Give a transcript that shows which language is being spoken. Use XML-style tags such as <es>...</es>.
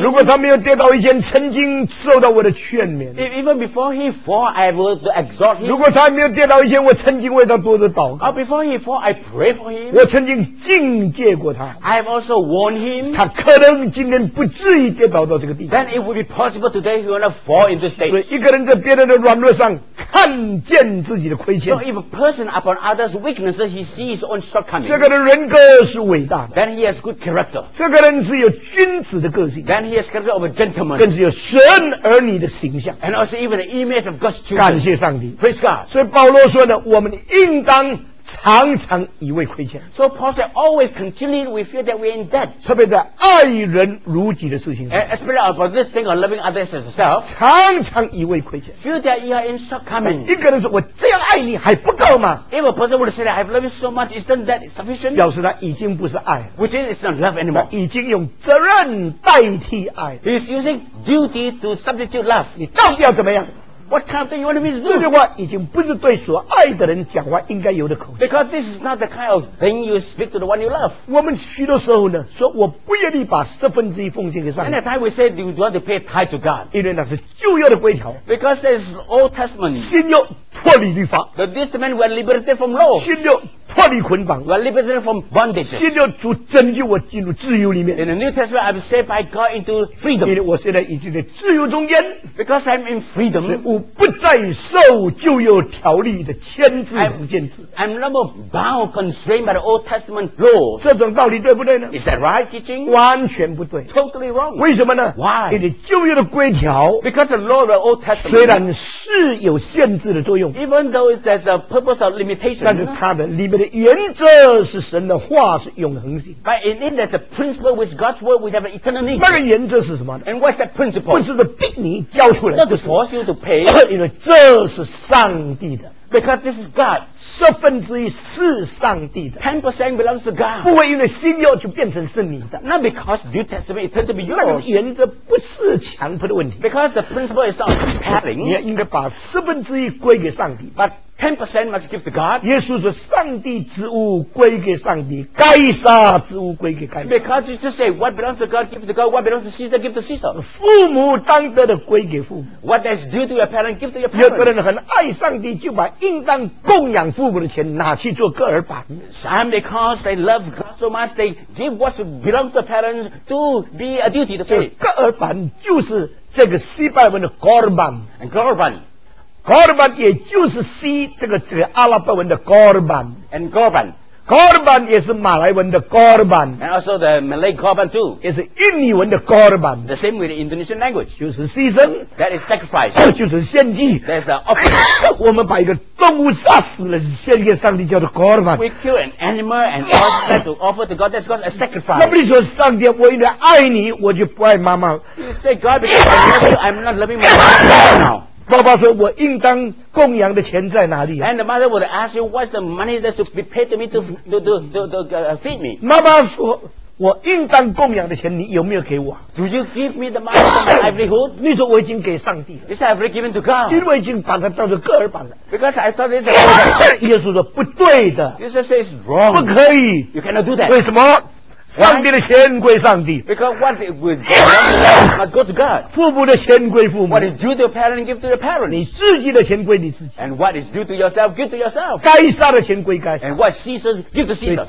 <zh>如果他没有跌倒以前曾经受到我的劝勉。</zh> <en>If even before he fall, I will to exhort him.</en> <zh>如果他没有跌倒以前，我曾经为他多的祷告。</zh> <en>Before he fall, I pray for him.</en> <zh>我曾经警戒过他。</zh> <en>I have also warned him.</en> <zh>他可能今天不至于跌倒到这个地方。</zh> <en>Then it would be possible today he will not fall in this state.</en> <zh>所以一个人在别人的软弱上看见自己的亏欠。</zh> <en>So if a person upon others weakness, he sees his own shortcomings.</en> <zh>这个人人格是伟大的。</zh> <en>Then he has good character.</en> <zh>这个人是有君子的个性。</zh> <en>Then he has character of a gentleman.</en> <zh>更是有神儿女的形象。</zh> <en>And also even the image of God's children.</en> <zh>感谢上帝。</zh> <en>Praise God.</en> <zh>所以保罗说呢，我们应当常常以为亏欠。</zh> <en>So Paul said, always continually we feel that we're in debt.</en> <zh>特别在爱人如己的事情上。</zh> <en>Especially about this thing of loving others as yourself.</en> <zh>常常以为亏欠。</zh> <en>Feel that you are in shortcoming.</en> <zh>一个人说，我这样爱你还不够吗？</zh> <en>If a person would say that I've loved you so much, isn't that sufficient?</en> <zh>表示他已经不是爱。</zh> <en>Which is it's not love anymore.</en> <zh>已经用责任代替爱。</zh> <en>He's using duty to substitute love.</en> <zh>你到底要怎么样？</zh> <en>What kind of thing you want me to do?</en> <zh>这句话已经不是对所爱的人讲话应该有的口气。</zh> <en>Because this is not the kind of thing you speak to the one you love.</en> <zh>我们许多时候呢，说我不愿意把十分之一奉献给上帝。</zh> <en>And at times we say, do you want to pay tithe to God?</en> <zh>因为那是旧约的规条。</zh> <en>Because there is Old Testament.</en> <zh>新约脱离律法。</zh> <en>But this man was liberated from law.</en> <zh>新约脱离捆绑。</zh> <en>We are liberated from bondage.</en> <zh>新约主拯救我进入自由里面。</zh> <en>In the New Testament, I'm saved by God into freedom.</en> <zh>因为我现在已经在自由中间。</zh> <en>Because I'm in freedom.</en> <zh>不再受旧约条例的牵制和限制。</zh> <en>I'm no more bound, constrained by the Old Testament law.</en> <zh>这种道理对不对呢</zh> <en>？Is that right teaching?</en> <zh>完全不对。</zh> <en>Totally wrong.</en> <zh>为什么呢</zh> <en>？Why?</en> <zh>因为旧约的规条</zh> <en>，Because the law of the Old Testament.</en> <zh>虽然是有限制的作用</zh> <en>，Even though there's a purpose of limitation.</en> <zh>但是它的里面的原则是神的话是永恒性。</zh> <en>But in it there's a principle with God's word we have an eternal need.</en> <zh>那个原则是什么</zh> <en>？And what's that principle?</en> <zh>不是的，逼你交出来。</zh> <en>Not to force you to pay.</en> <zh>因为这是上帝的</zh> <en>Because this is God</en> <zh>十分之一是上帝的</zh> <en>10% belongs to God</en> <zh>不会因为新约就变成是你的</zh> <en>Not because New Testament it turned to be yours</en> <zh>那个原则不是强迫的问题</zh> <en>Because the principle is not compelling</en> <zh>你应该把十分之一归给上帝</zh> <en>But 10% must give to God.</en> <zh>耶稣说上帝之物归给上帝，该杀之物归给该杀。</zh> <en>Because Jesus said, what belongs to God, give to God, what belongs to Caesar, give to Caesar.</en> <zh>父母当得的归给父母。</zh> <en>What is due to your parent, give to your parent.</en> <zh>有的人很爱上帝，就把应当供养父母的钱拿去做割耳板。</zh> <en>Some because they love God so much, they give what belongs to parents to be a duty to pay.</en> <zh>割耳板就是这个希伯来文的 korban。</zh> <en>And korban.</en> <zh>Korban 也就是西这个阿拉伯文的 Korban</zh> <en>and Korban</en> <zh>Korban 也是马来文的 Korban</zh> <en>and also the Malay Korban too</en> <zh>也是印尼文的 Korban</zh> <en>the same with the Indonesian language</en> <zh>就是牺牲</zh> <en>that is sacrifice</en> <zh>就是献祭</zh> <en>that's an offering</en> <zh>我们把一个动物杀死了献给上帝叫做 Korban</zh> <en>we kill an animal and offer that to offer to God that's called a sacrifice</en> <zh>那不是说上帝我因为爱你我就不爱妈妈</zh> <en>you say God because I love you I'm not loving my mother now</en> <zh>爸爸说我应当供养的钱在哪里、啊、</zh> <en>And the mother would ask you what's the money that should be paid to me to feed me</en> <zh>妈妈说我应当供养的钱你有没有给我</zh> <en>Do you give me the money for my livelihood?</en> <zh>你说我已经给上帝了</zh> <en>You said I've already given to God</en> <zh>因为我已经把它当作割耳板了</zh> <en>Because I thought it's a God</en> <zh>耶稣说不对的</zh> <en>Jesus says wrong</en> <zh>不可以</zh> <en>You cannot do that</en> <zh>为什么上帝的钱归上帝</zh> <en>Because what it would go to God must go to God</en> <zh>父母的钱归父母</zh> <en>What is due to your parent give to your parent</en> <zh>你自己的钱归你自己</zh> <en>And what is due to yourself give to yourself</en> <zh>该杀的钱归该杀</zh> <en>And what Caesar give to Caesar</en>